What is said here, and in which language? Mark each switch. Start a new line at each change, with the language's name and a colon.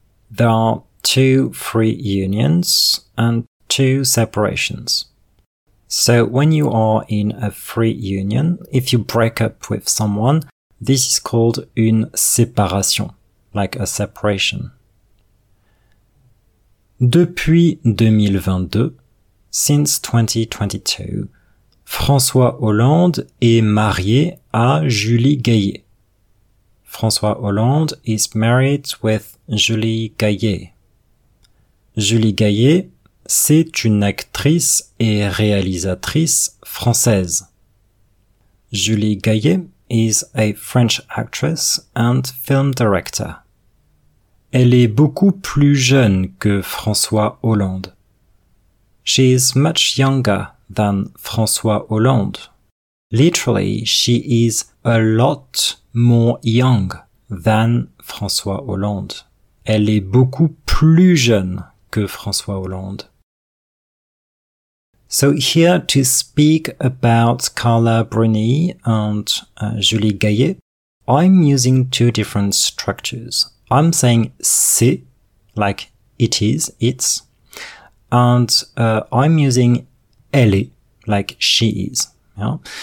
English: There are two free unions and two separations. So when you are in a free union, if you break up with someone, this is called une séparation, like a separation.
French: Depuis 2022,
English: since 2022,
French: François Hollande est marié à Julie Gayet.
English: François Hollande is married with Julie Gayet.
French: Julie Gayet, c'est une actrice et réalisatrice française.
English: Julie Gayet is a French actress and film director.
French: Elle est beaucoup plus jeune que François Hollande.
English: She is much younger than François Hollande. Literally, she is a lot more young than François Hollande.
French: Elle est beaucoup plus jeune que François Hollande.
English: So here to speak about Carla Bruni and Julie Gayet, I'm using two different structures. I'm saying c'est, like it is, it's, and I'm using elle est, like she is. Yeah?